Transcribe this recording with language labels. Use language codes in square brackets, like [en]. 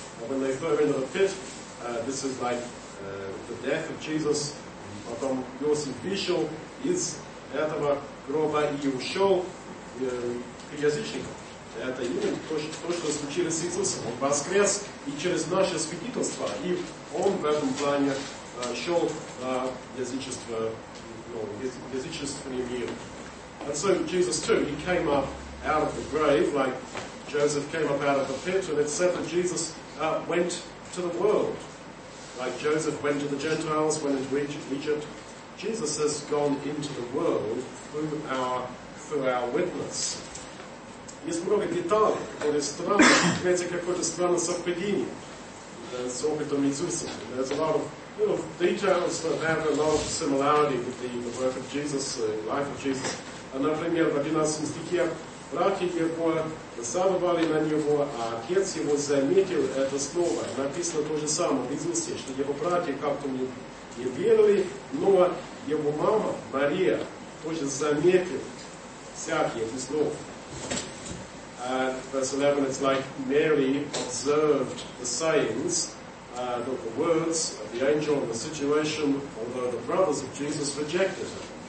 [en] When they threw him into the pit, this is like the death of Jesus. [ru] Потом Иосиф вышел из этого гроба и ушел к язычникам. Это именно то, что случилось с Иисусом. Он воскрес и через наше свидетельство, и он в этом плане шел язычество, язычественный мир. [en] And so Jesus too, he came up out of the grave, like Joseph came up out of the pit, and it said that Jesus went to the world. Like Joseph went to the Gentiles, went into Egypt, Jesus has gone into the world through our witness. [ru] Есть много деталей, которые странно, имеется какое-то странное совпадение с опытом Иисуса. [en] There's a lot of details that have a lot of similarity with the work of Jesus, the life of Jesus. [ru] Например, в 11 стихе братья его досадовали на него, а отец его заметил это слово. Написано то же самое в Иисусе, что его братья как-то не верили, но его мама Мария тоже заметила всякие эти слова. [en] Verse 11, it's like Mary observed the sayings, the words of the angel and the situation, although the brothers of Jesus rejected her.